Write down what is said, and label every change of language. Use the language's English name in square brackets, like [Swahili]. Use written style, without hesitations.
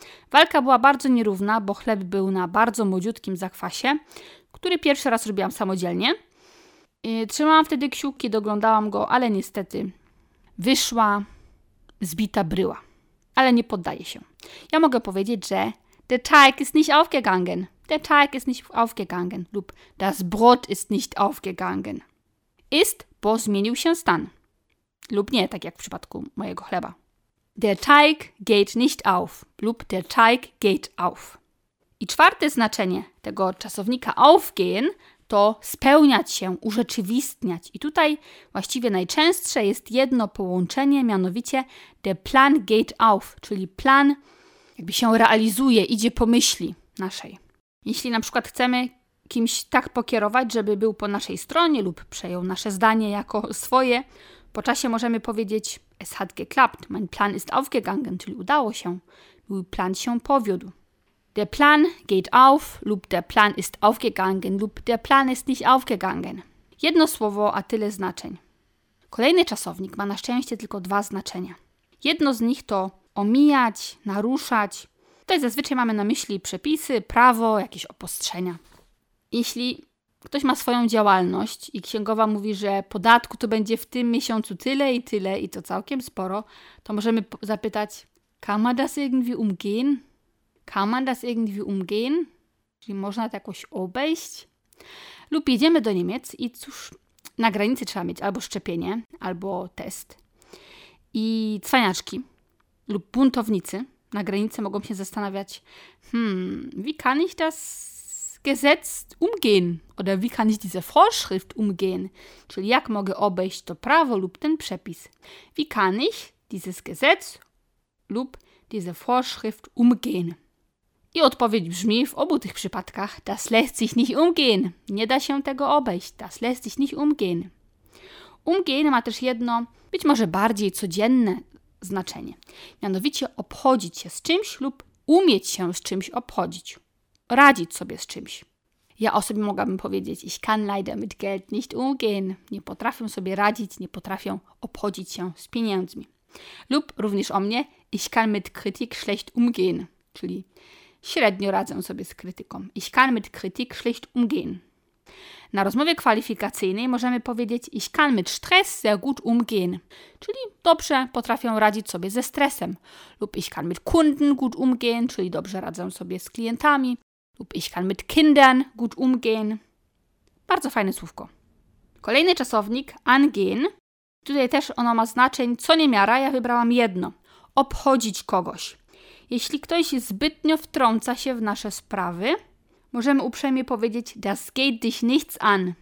[Polish] Walka była bardzo nierówna, bo chleb był na bardzo młodziutkim zakwasie, który pierwszy raz robiłam samodzielnie. Trzymałam wtedy kciuki, doglądałam go, ale niestety wyszła zbita bryła. Ale nie poddaję się. Ja mogę powiedzieć, że [German] der Teig ist nicht aufgegangen. Der Teig ist nicht aufgegangen. [Polish] Lub [German] das Brot ist nicht aufgegangen. [Polish] Ist, bo zmienił się stan. Lub nie, tak jak w przypadku mojego chleba. [German] Der Teig geht nicht auf. [Polish] Lub [German] der Teig geht auf. [Polish] I czwarte znaczenie tego czasownika aufgehen to spełniać się, urzeczywistniać. I tutaj właściwie najczęstsze jest jedno połączenie, mianowicie [German] der Plan geht auf, [Polish] czyli plan jakby się realizuje, idzie po myśli naszej. Jeśli na przykład chcemy kimś tak pokierować, żeby był po naszej stronie lub przejął nasze zdanie jako swoje, po czasie możemy powiedzieć [German] Es hat geklappt, mein Plan ist aufgegangen, [Polish] czyli udało się, mój plan się powiódł. [German] Der Plan geht auf, [Polish] lub [German] der Plan ist aufgegangen, lub der Plan ist nicht aufgegangen. [Polish] Jedno słowo, a tyle znaczeń. Kolejny czasownik ma na szczęście tylko dwa znaczenia. Jedno z nich to omijać, naruszać. Tutaj zazwyczaj mamy na myśli przepisy, prawo, jakieś opostrzenia. Jeśli ktoś ma swoją działalność i księgowa mówi, że podatku to będzie w tym miesiącu tyle i to całkiem sporo, to możemy zapytać, [German] kann man das irgendwie umgehen? Kann man das irgendwie umgehen? [Polish] Czyli można to jakoś obejść? Lub jedziemy do Niemiec i cóż, na granicy trzeba mieć albo szczepienie, albo test. I cwaniaczki lub buntownicy na granicy mogą się zastanawiać, [German] wie kann ich das Gesetz umgehen? Oder wie kann ich diese Vorschrift umgehen? [Polish] Czyli jak mogę obejść to prawo lub ten przepis? [German] Wie kann ich dieses Gesetz [Polish] lub [German] diese Vorschrift umgehen? [Polish] I odpowiedź brzmi w obu tych przypadkach [German] Das lässt sich nicht umgehen. [Polish] Nie da się tego obejść. [German] Das lässt sich nicht umgehen. [Polish] Umgehen ma też jedno, być może bardziej codzienne znaczenie. Mianowicie obchodzić się z czymś lub umieć się z czymś obchodzić. Radzić sobie z czymś. Ja o sobie mogłabym powiedzieć [German] Ich kann leider mit Geld nicht umgehen. [Polish] Nie potrafię sobie radzić, nie potrafię obchodzić się z pieniędzmi. Lub również o mnie [German] Ich kann mit Kritik schlecht umgehen. [Polish] Czyli średnio radzę sobie z krytyką. [German] Ich kann mit Kritik schlecht umgehen. [Polish] Na rozmowie kwalifikacyjnej możemy powiedzieć [German] Ich kann mit Stress sehr gut umgehen. [Polish] Czyli dobrze potrafię radzić sobie ze stresem. Lub [German] Ich kann mit Kunden gut umgehen, [Polish] czyli dobrze radzę sobie z klientami. Lub [German] Ich kann mit Kindern gut umgehen. [Polish] Bardzo fajne słówko. Kolejny czasownik, angehen. Tutaj też ono ma znaczenie co niemiara, ja wybrałam jedno. Obchodzić kogoś. Jeśli ktoś zbytnio wtrąca się w nasze sprawy, możemy uprzejmie powiedzieć [German] Das geht dich nichts an.